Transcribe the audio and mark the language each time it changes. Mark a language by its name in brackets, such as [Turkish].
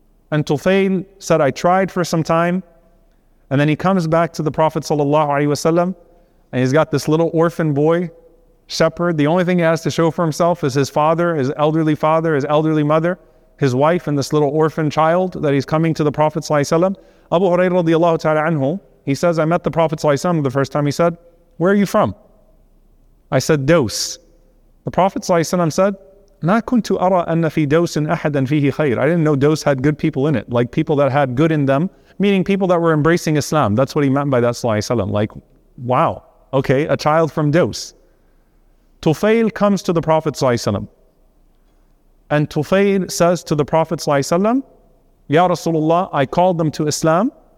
[English] And Tufayl said, I tried for some time. And then he comes back to the Prophet sallallahu alaihi wasallam, and he's got this little orphan boy, shepherd. The only thing he has to show for himself is his father, his elderly father, his elderly mother, his wife, and this little orphan child that he's coming to the Prophet sallallahu alaihi wasallam. Abu Huraira radiallahu ta'ala anhu, he says, I met the Prophet sallallahu alayhi wa sallam the first time. He said, where are you from? I said, Daws. The Prophet sallallahu alayhi wa sallam said, [Arabic] ما كنت أرى أن في دوس أحدا فيه خير. [English] I didn't know Daws had good people in it, like people that had good in them, meaning people that were embracing Islam. That's what he meant by that sallallahu alayhi wa sallam. Like, wow, okay, a child from Daws. Tufayl comes to the Prophet sallallahu alayhi wa sallam. And Tufayl says to the Prophet ﷺ, Ya Rasulullah, I called them to Islam.